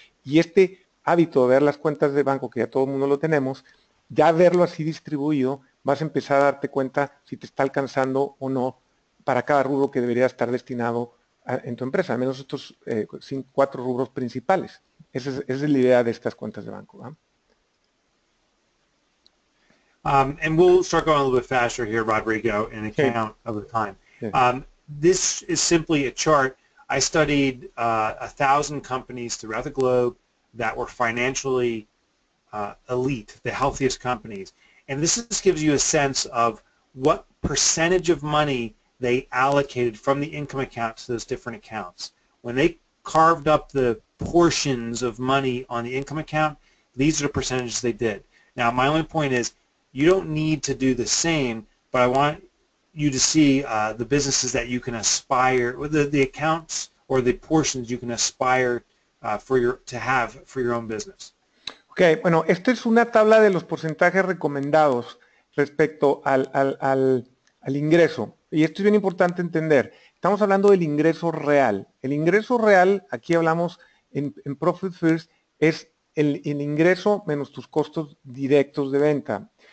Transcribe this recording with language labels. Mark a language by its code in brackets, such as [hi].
[es] Y este hábito de ver las cuentas de banco, que ya todo el mundo lo tenemos, ya verlo así distribuido, vas a empezar a darte cuenta si te está alcanzando o no para cada rubro que debería estar destinado en tu empresa. Al menos estos cinco, cuatro rubros principales. Esa es la idea de estas cuentas de banco, ¿eh? [en] And we'll start going a little bit faster here, Rodrigo, in account of the time. This is simply a chart. I studied 1,000 companies throughout the globe that were financially elite, the healthiest companies. And this gives you a sense of what percentage of money they allocated from the income account to those different accounts. When they carved up the portions of money on the income account, these are the percentages they did. Now, my only point is, you don't need to do the same, but I want you to see the businesses that you can aspire, the accounts or the portions you can aspire to have for your own business. [es] Okay, bueno, esta es una tabla de los porcentajes recomendados respecto al ingreso. Y esto es bien importante entender. Estamos hablando del ingreso real. El ingreso real, aquí hablamos en Profit First, es el ingreso menos tus costos directos de venta.